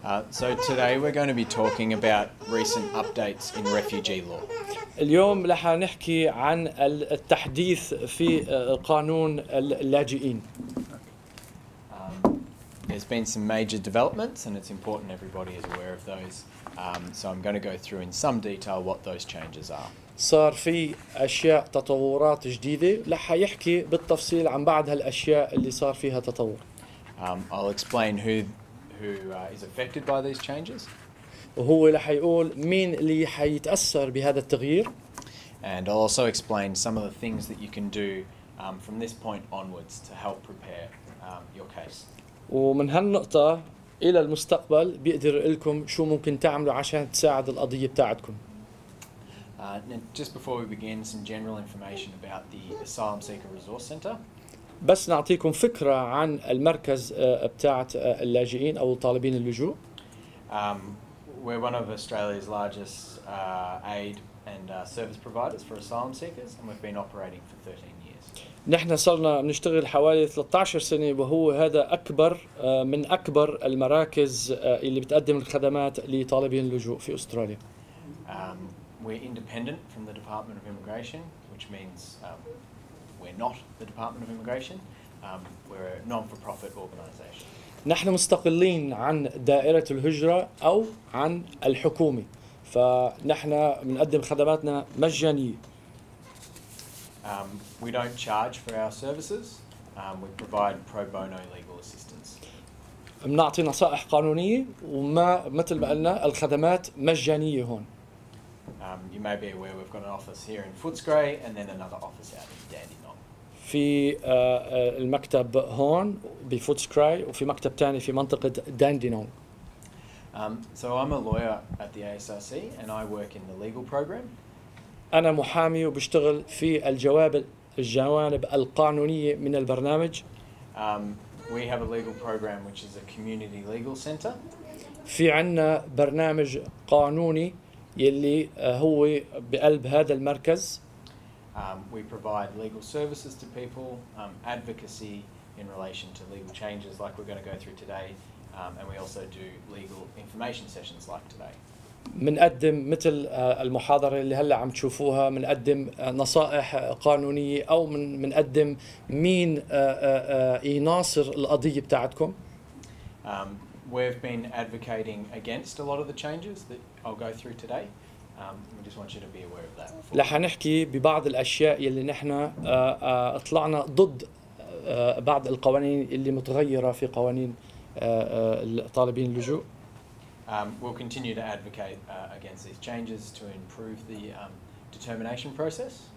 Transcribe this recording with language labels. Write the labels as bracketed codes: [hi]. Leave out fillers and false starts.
[en] So today we're going to be talking about recent updates in refugee law. [ar] اليوم راح نحكي عن التحديث في قانون اللاجئين. [en] There's been some major developments, and it's important everybody is aware of those. So I'm going to go through in some detail what those changes are. [ar] صار في أشياء تطورات جديدة راح يحكي بالتفصيل عن بعض هالأشياء اللي صار فيها تطور. [en] I'll explain who is affected by these changes. [ar] وهو راح يقول مين اللي حيتأثر بهذا التغيير. [en] And I'll also explain some of the things that you can do from this point onwards to help prepare your case. [ar] ومن هالنقطة إلى المستقبل بيقدر لكم شو ممكن تعملوا عشان تساعد القضية بتاعتكم. [en] Just before we begin, some general information about the Asylum Seeker Resource Center. [ar] بس نعطيكم فكرة عن المركز بتاعة اللاجئين أو طالبين اللجوء. [en] We're one of Australia's largest aid and service providers for asylum seekers, and we've been operating for 13 years. [ar] نحن صرنا نشتغل حوالي 13 سنة وهو هذا أكبر من أكبر المراكز اللي بتقدم الخدمات لطالبين اللجوء في أستراليا. [en] We're independent from the Department of Immigration, which means we're not the Department of Immigration. We're a non-for-profit organisation. [ar] نحن مستقلين عن دائرة الهجرة أو عن الحكومة، فنحن بنقدم خدماتنا مجانية. [en] We don't charge for our services. We provide pro bono legal assistance. [ar] بنعطي نصائح قانونية وما مثل ما قلنا الخدمات مجانية هون. [en] You may be aware we've got an office here in Footscray and then another office out in Dandenong. [ar] في المكتب هون بفوتسكراي وفي مكتب تاني في منطقة داندينونغ. [en] So I'm a lawyer at the ASRC and I work in the legal program. [ar] أنا محامي وبشتغل في الجوانب القانونية من البرنامج. [en] We have a legal program which is a community legal center. [ar] في عنا برنامج قانوني يلي هو بقلب هذا المركز. [en] We provide legal services to people, advocacy in relation to legal changes like we're going to go through today, and we also do legal information sessions like today. [ar] منقدم مثل المحاضرة اللي هلا عم تشوفوها، منقدم نصائح قانونية أو منقدم مين يناصر القضية بتاعتكم. [en] We've been advocating against a lot of the changes that I'll go through today. We just want you to be aware of that. [ar] لح نحكي ببعض الأشياء اللي نحنا طلعنا ضد بعض القوانين اللي متغيرة في قوانين الطالبين اللجوء. [en] We'll continue to advocate against these changes to improve the determination process.